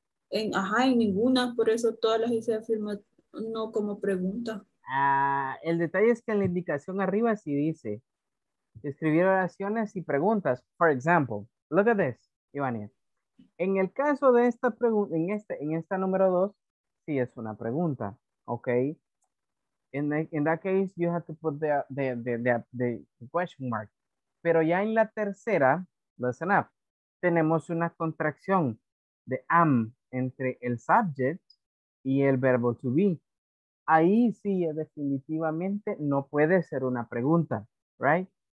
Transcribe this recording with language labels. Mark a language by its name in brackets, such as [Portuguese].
[Spanish] En, ajá, en ninguna, por eso todas las hice afirmativa, no como pregunta. Ah, el detalle es que en la indicación arriba sí dice, escribir oraciones y preguntas. [English] For example, look at this, [Spanish] Ivania. En el caso de esta pregunta, en esta número dos, sí, es una pregunta, ¿ok? [English] In that case, you have to put the question mark. [Spanish] Pero ya en la tercera, [English] listen up, [Spanish] tenemos una contracción de am entre el subject y el verbo to be. Ahí sí, definitivamente no puede ser una pregunta, [English] right?